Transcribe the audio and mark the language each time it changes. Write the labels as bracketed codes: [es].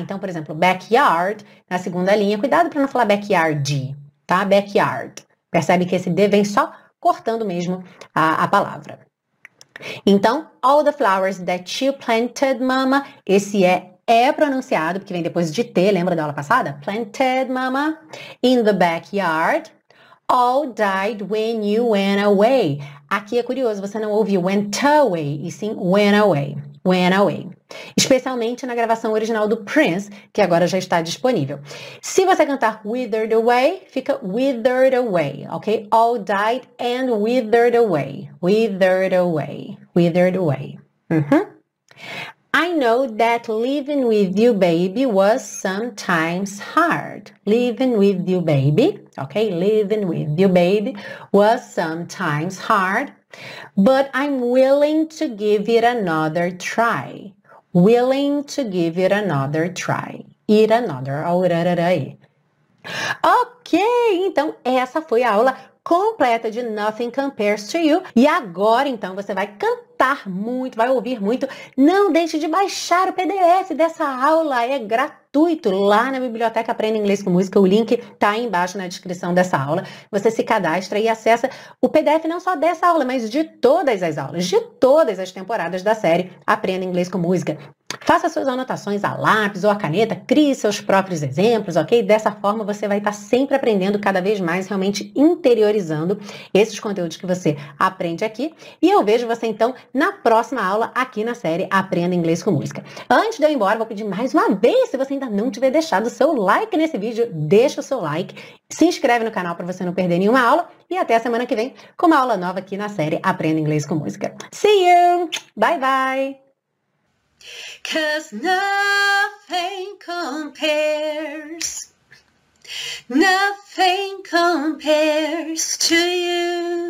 [pt] Então, por exemplo, backyard, na segunda linha, cuidado para não falar backyard, tá? Backyard, percebe que esse D vem só cortando mesmo a palavra. Então, [en] all the flowers that you planted, mama, [pt] esse é pronunciado, porque vem depois de T, lembra da aula passada? [en] Planted, mama, in the backyard, all died when you went away. [pt] Aqui é curioso, você não ouve [en] went away, [pt] e sim went away, went away. Especialmente na gravação original do Prince, que agora já está disponível. Se você cantar [en] withered away, [pt] fica withered away, ok? [en] All died and withered away, withered away, withered away. I know that living with you, baby, was sometimes hard. Living with you, baby, ok? Living with you, baby, was sometimes hard. But I'm willing to give it another try. Willing to give it another try. It another. [pt] Ok, então essa foi a aula completa de Nothing Compares to You. E agora, então, você vai cantar muito, vai ouvir muito. Não deixe de baixar o PDF dessa aula, é gratuito. Gratuito lá na Biblioteca Aprenda Inglês com Música, o link tá aí embaixo na descrição dessa aula. Você se cadastra e acessa o PDF não só dessa aula, mas de todas as aulas, de todas as temporadas da série Aprenda Inglês com Música. Faça suas anotações a lápis ou a caneta, crie seus próprios exemplos, ok? Dessa forma você vai estar sempre aprendendo cada vez mais, realmente interiorizando esses conteúdos que você aprende aqui. E eu vejo você então na próxima aula aqui na série Aprenda Inglês com Música. Antes de eu ir embora, vou pedir mais uma vez, se você ainda não tiver deixado o seu like nesse vídeo, deixa o seu like, se inscreve no canal para você não perder nenhuma aula e até a semana que vem com uma aula nova aqui na série Aprenda Inglês com Música. [en] See you! Bye, bye! 'Cause nothing compares, nothing compares to you.